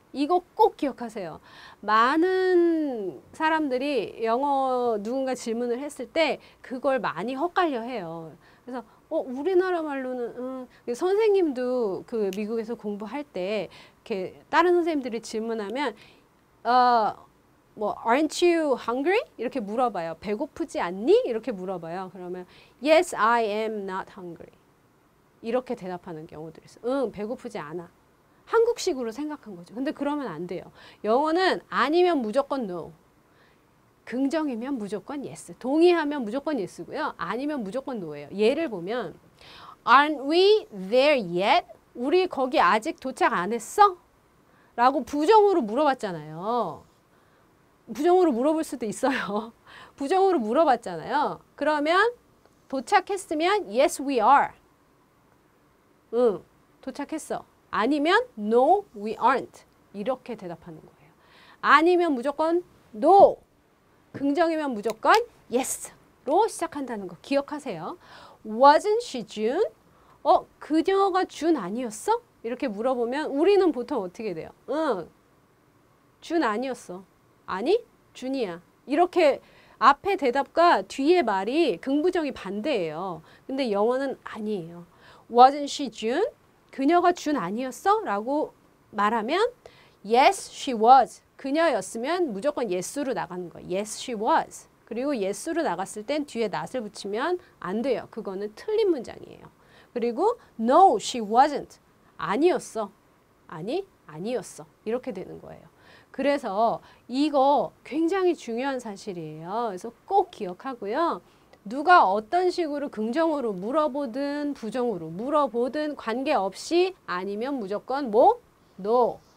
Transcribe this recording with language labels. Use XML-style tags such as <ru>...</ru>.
<ko>이거 꼭 기억하세요. 많은 사람들이 영어 누군가 질문을 했을 때 그걸 많이 헷갈려 해요. 그래서 우리나라 말로는 선생님도 그 미국에서 공부할 때 이렇게 다른 선생님들이 질문하면 뭐</ko> <en>aren't you hungry?</en> <ko>이렇게 물어봐요. 배고프지 않니? 이렇게 물어봐요.</ko> <en>그러면 yes, I am not hungry.</en> <ko>이렇게 대답하는 경우들이 있어요. 배고프지 않아. 한국식으로 생각한 거죠. 근데 그러면 안 돼요. 영어는 아니면 무조건 no. 긍정이면 무조건 yes. 동의하면 무조건 yes고요. 아니면 무조건 no예요. 예를 보면,</ko> <en>Aren't we there yet?</en> <ko>우리 거기 아직 도착 안 했어? 라고 부정으로 물어봤잖아요. 부정으로 물어볼 수도 있어요. 부정으로 물어봤잖아요. 그러면 도착했으면</ko> <en>yes, we are.</en> <ko>도착했어.</ko> <en>아니면 no, we aren't.</en> <ko>이렇게 대답하는 거예요. 아니면 무조건 no. 긍정이면 무조건 yes로 시작한다는 거 기억하세요.</ko> <en>Wasn't she June?</en> <ko>그녀가 June 아니었어? 이렇게 물어보면 우리는 보통 어떻게 돼요? June 아니었어. 아니? June이야. 이렇게 앞에 대답과 뒤에 말이 긍부정이 반대예요. 근데 영어는 아니에요.</ko> <en>Wasn't she June?</en> <ko>그녀가 June 아니었어? 라고 말하면</ko> <en>Yes, she was.</en> <ko>그녀였으면 무조건 yes로 나가는 거예요.</ko> <en>Yes, she was.</en> <ko>그리고 yes로 나갔을 땐 뒤에 not을 붙이면 안 돼요. 그거는 틀린 문장이에요. 그리고</ko> <en>no, she wasn't.</en> <ko>아니었어. 아니, 아니었어. 이렇게 되는 거예요. 그래서 이거 굉장히 중요한 사실이에요. 그래서 꼭 기억하고요. 누가 어떤 식으로 긍정으로 물어보든 부정으로 물어보든 관계없이 아니면 무조건 뭐?</ko> <en>No.</en>